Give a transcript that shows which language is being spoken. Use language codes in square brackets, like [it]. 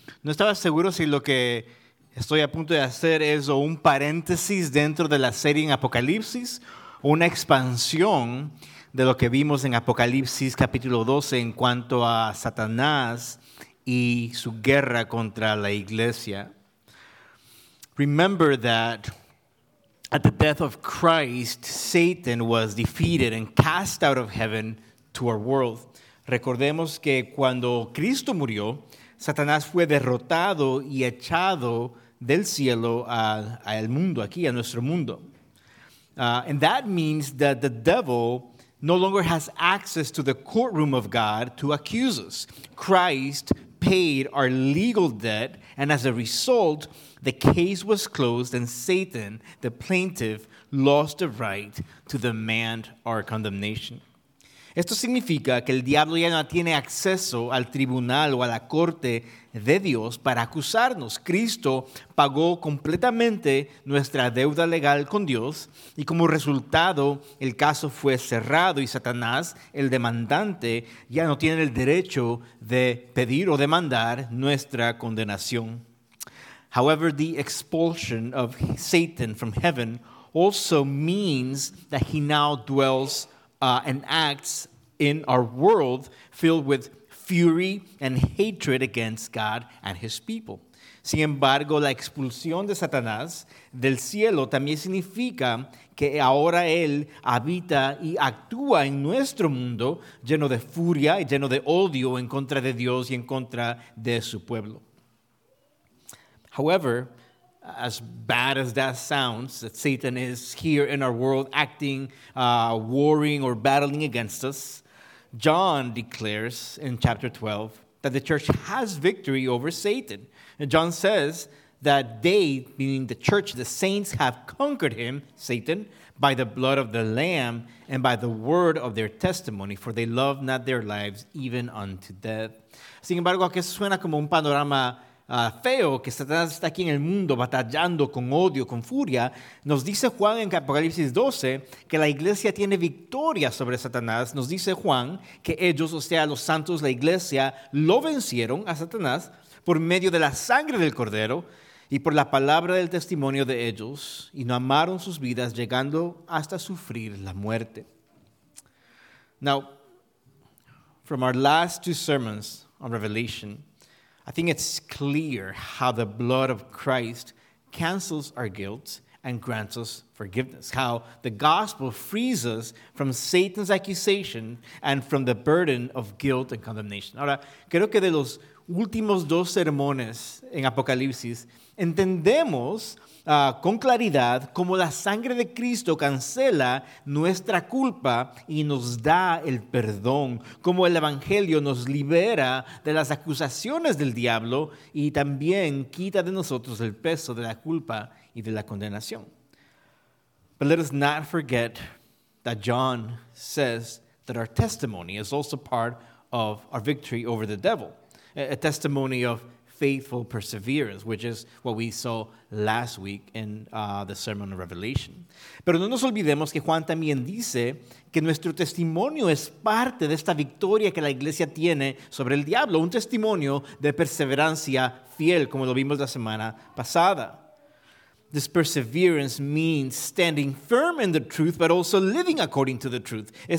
[es] No estaba seguro si lo que estoy a punto de hacer es o un paréntesis dentro de la serie en Apocalipsis o una expansión de lo que vimos en Apocalipsis capítulo 12 en cuanto a Satanás y su guerra contra la iglesia. [en] Remember that at the death of Christ, Satan was defeated and cast out of heaven to our world. [es] Recordemos que cuando Cristo murió, Satanás fue derrotado y echado del cielo al mundo, aquí, a nuestro mundo. [en] And that means that the devil no longer has access to the courtroom of God to accuse us. Christ paid our legal debt, and as a result, the case was closed and Satan, the plaintiff, lost the right to demand our condemnation. [es] Esto significa que el diablo ya no tiene acceso al tribunal o a la corte de Dios para acusarnos. Cristo pagó completamente nuestra deuda legal con Dios y como resultado el caso fue cerrado y Satanás, el demandante, ya no tiene el derecho de pedir o demandar nuestra condenación. [en] However, the expulsion of Satan from heaven also means that he now dwells and acts in our world filled with fury and hatred against God and his people. [es] Sin embargo, la expulsión de Satanás del cielo también significa que ahora él habita y actúa en nuestro mundo lleno de furia y lleno de odio en contra de Dios y en contra de su pueblo. [en] However, as bad as that sounds, that Satan is here in our world acting, warring or battling against us, John declares in chapter 12 that the church has victory over Satan. And John says that they, meaning the church, the saints, have conquered him, Satan, by the blood of the Lamb and by the word of their testimony, for they love not their lives even unto death. [es] Sin embargo, aquí suena como un panorama feo, que Satanás está aquí en el mundo batallando con odio, con furia. Nos dice Juan en Apocalipsis 12 que la iglesia tiene victoria sobre Satanás. Nos dice Juan que ellos, o sea, los santos, la iglesia, lo vencieron a Satanás por medio de la sangre del Cordero y por la palabra del testimonio de ellos, y no amaron sus vidas llegando hasta sufrir la muerte. [en] Now, from our last two sermons on Revelation, I think it's clear how the blood of Christ cancels our guilt and grants us forgiveness. How the gospel frees us from Satan's accusation and from the burden of guilt and condemnation. [es] Ahora, creo que de los últimos dos sermones en Apocalipsis, entendemos con claridad cómo la sangre de Cristo cancela nuestra culpa y nos da el perdón, cómo el Evangelio nos libera de las acusaciones del diablo y también quita de nosotros el peso de la culpa y de la condenación. [en] But let us not forget that John says that our testimony is also part of our victory over the devil, a testimony of faithful perseverance, which is what we saw last week in the Sermon of Revelation. [es] Pero no nos olvidemos que Juan también dice que nuestro testimonio es parte de esta victoria que la iglesia tiene sobre el diablo, un testimonio de perseverancia fiel, como lo vimos la semana pasada. [en] This perseverance means standing firm in the truth, but also living according to the truth.